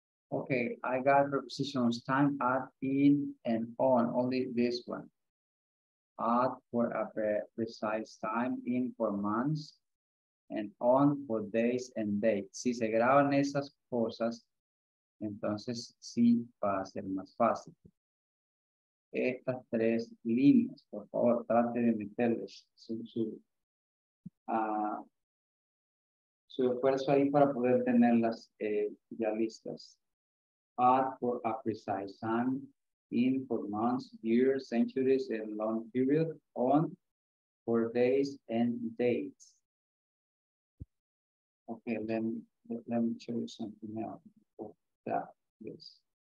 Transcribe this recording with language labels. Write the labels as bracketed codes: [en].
[en] Okay, I got prepositions time, at, in, and on, only this one. At for a precise time, in for months, and on for days and dates. [es] Si se graban esas cosas, entonces sí va a ser más fácil. Estas tres líneas, por favor, trate de meterles su esfuerzo ahí para poder tenerlas ya listas. [en] at for a precise time, in for months, years, centuries, and long period, on for days and dates. Okay, let me show you something else for that, yes.